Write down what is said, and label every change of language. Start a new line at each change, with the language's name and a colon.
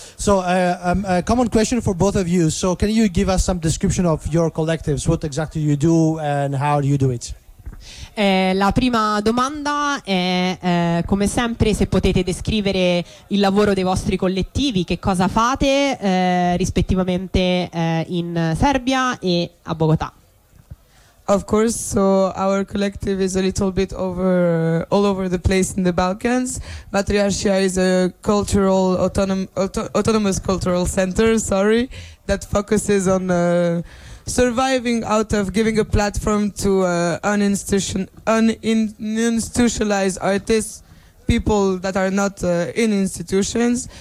English: So a common question for both of you. So can you give us some description of your collectives? What exactly you do and how do you do it?
Italian: La prima domanda è, come sempre, se potete descrivere il lavoro dei vostri collettivi, che cosa fate rispettivamente in Serbia e a Bogotà.
English: Of course, so our collective is a little bit over all over the place in the Balkans. Matriarchia is a cultural autonomous cultural center, that focuses on surviving out of giving a platform to uninstitutionalized artists, people that are not in institutions.